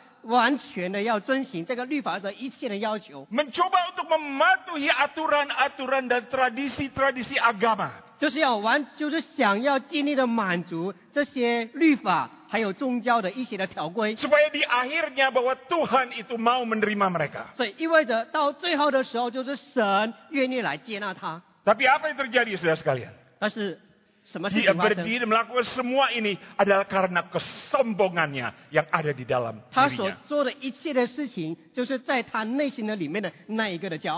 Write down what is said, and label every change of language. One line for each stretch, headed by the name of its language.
Chinese: 就这个法利赛人呢，就是想方设法完全的要遵循这个律法的一切的要求。
Indonesian: Mencoba untuk mematuhi aturan-aturan dan tradisi-tradisi agama.
Chinese: 就是要完，就是想要尽力的满足这些律法。还有宗教的一些的条规,
Indonesian: supaya di akhirnya bahwa Tuhan itu mau menerima mereka.
Chinese: 所以意味着到最后的时候就是神愿意来接纳他.
Indonesian: Tapi apa yang terjadi saudara sekalian?
Chinese: 但是什么事情发生?
Indonesian: Dia berdiri melakukan semua ini adalah karena kesombongannya yang ada di dalam dirinya.
Chinese: 他所做的一切的事情就是在他内心的里面的那一个的骄傲.